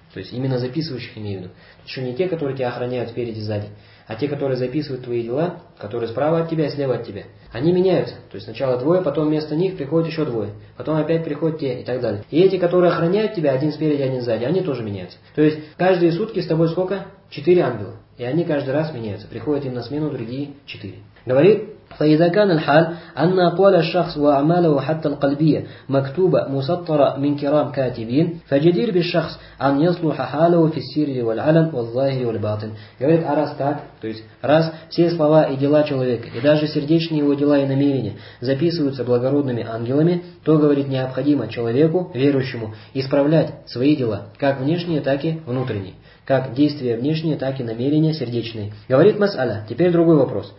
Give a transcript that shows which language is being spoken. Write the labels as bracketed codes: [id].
[ru] То есть именно записывающих имею в виду. Еще не те, которые тебя охраняют спереди и сзади, а те, которые записывают твои дела, которые справа от тебя и слева от тебя. Они меняются. То есть сначала двое, потом вместо них приходят еще двое. Потом опять приходят те и так далее. И эти, которые охраняют тебя, один спереди, один сзади, они тоже меняются. То есть каждые сутки с тобой сколько? 4 ангела. И они каждый раз меняются. Приходят им на смену другие 4. [ar] Говорит: فإذا كان الحال أن أقوال الشخص وأعماله حتى القلبية مكتوبة مسطرة من كرام كاتبين فجدير بالشخص أن يصلح حاله في السر والعلن والظاهر والباطن. [ru] Говорит, а раз так, то есть раз все слова и дела человека, и даже сердечные его дела и намерения записываются благородными ангелами, то, говорит, необходимо человеку, верующему, исправлять свои дела, как внешние, так и внутренние. Как действия внешние, так и намерения сердечные. Говорит мас'аля. Теперь другой вопрос.